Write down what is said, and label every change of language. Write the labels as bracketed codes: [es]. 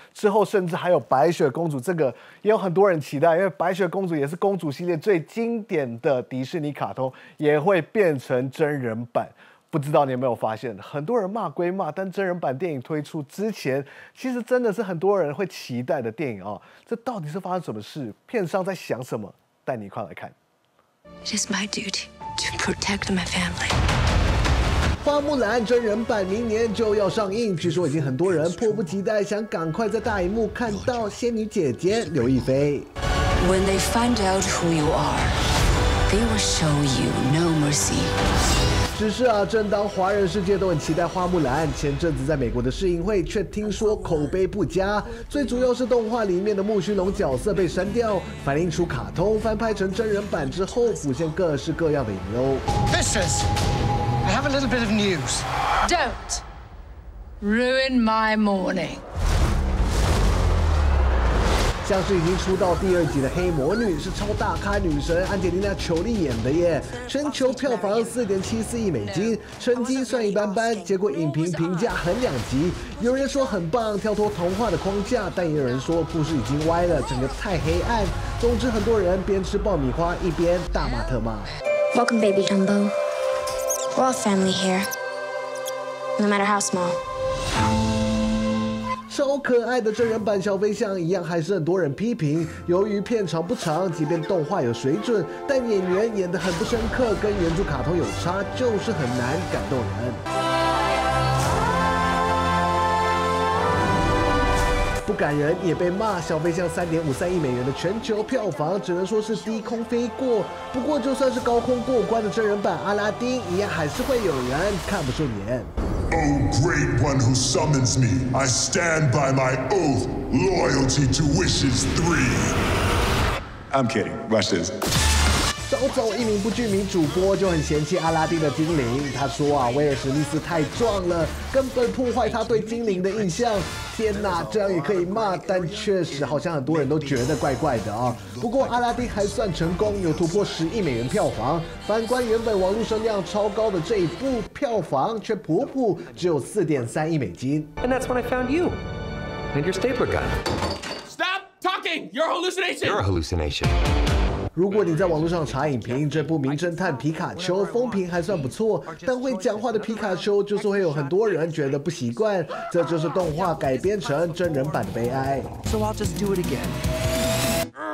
[zh] 之后甚至还有《白雪公主》，这个也有很多人期待，因为《白雪公主》也是公主系列最经典的迪士尼卡通，也会变成真人版。不知道你有没有发现，很多人骂归骂，但真人版电影推出之前，其实真的是很多人会期待的电影啊。这到底是发生什么事？片商在想什么？带你一块来看。 [en] It is my duty to protect my family. [zh] 花木兰真人版明年就要上映，据说已经很多人迫不及待想赶快在大荧幕看到仙女姐姐刘亦菲。 [en] When they find out who you are, they will show you no mercy. [zh] 只是啊，正当华人世界都很期待花木兰，前阵子在美国的试映会却听说口碑不佳，最主要是动画里面的木须龙角色被删掉，反映出卡通翻拍成真人版之后浮现各式各样的隐忧。 [en] Vicious. I have a little bit of news. Don't ruin my morning. [zh] 像是已经出道第二集的黑魔女是超大咖女神安吉丽娜·裘丽演的耶，全球票房4.74亿美金，成绩算一般般，结果影评评价很两极，有人说很棒，跳脱童话的框架，但也有人说故事已经歪了，整个太黑暗。总之，很多人边吃爆米花一边大骂特骂。 [en] Welcome, baby Jumbo. We're all family here, no matter how small. [zh] 超可爱的真人版小飞象一样还是很多人批评，由于片长不长，即便动画有水准，但演员演得很不深刻，跟原著卡通有差，就是很难感动人。不感人也被骂，小飞象3.53亿美元的全球票房只能说是低空飞过，不过就算是高空过关的真人版阿拉丁一样还是会有人看不顺眼。 [en] Oh, great one who summons me, I stand by my oath, loyalty to Wishes 3. I'm kidding, Rushes. [zh] 周周一名不具名主播就很嫌弃阿拉丁的精灵，他说啊，威尔史密斯太壮了，根本破坏他对精灵的印象。天哪，这样也可以骂，但确实好像很多人都觉得怪怪的啊。不过阿拉丁还算成功，有突破10亿美元票房。反观原本网络声量超高的这一部，票房却普普，只有4.3亿美金。 [en] And that's when I found you and your stapler gun. Stop talking. You're a hallucination. You're a hallucination. [zh] 如果你在网络上查影评，这部名侦探皮卡丘风评还算不错，但会讲话的皮卡丘就是会有很多人觉得不习惯，这就是动画改编成真人版的悲哀。 [en] So I'll just do it again.